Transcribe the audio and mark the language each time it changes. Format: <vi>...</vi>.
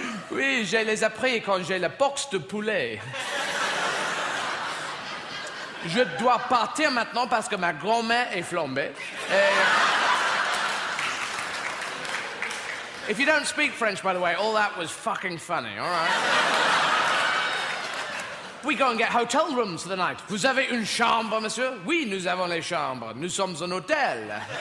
<fr>Oui, je les ai appris quand j'ai la boxe de poulet. Je dois partir maintenant parce que ma grand-mère est flambée. Et...</fr> <en>if you don't speak French, by the way, all that was fucking funny, all right? We go and get hotel rooms for the night.</en> <fr>Vous avez une chambre, monsieur? Oui, nous avons les chambres. Nous sommes un hôtel.</fr>